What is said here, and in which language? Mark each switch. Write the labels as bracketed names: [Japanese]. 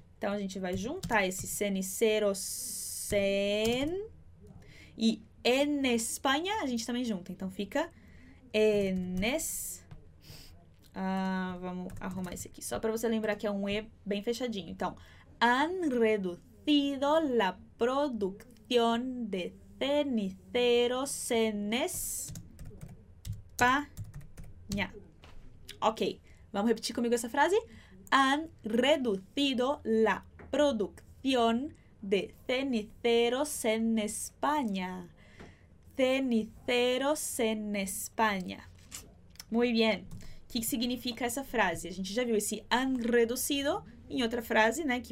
[Portuguese] Então a gente vai juntar esse [Spanish] ceniceros en. [Portuguese] E [Spanish] en España [Portuguese] a gente também junta. Então fica en es. Vamos arrumar esse aqui. Só para você lembrar que é um E bem fechadinho. [Spanish] Então, han reducido la producción de ceniceros en España. [Portuguese] Ok, vamos repetir comigo essa frase? [Spanish] Han reducido la producción de ceniceros en España. Ceniceros en España. Muy bien. [Portuguese] O que significa essa frase? A gente já viu esse [Spanish] han reducido [Portuguese] em outra frase, né?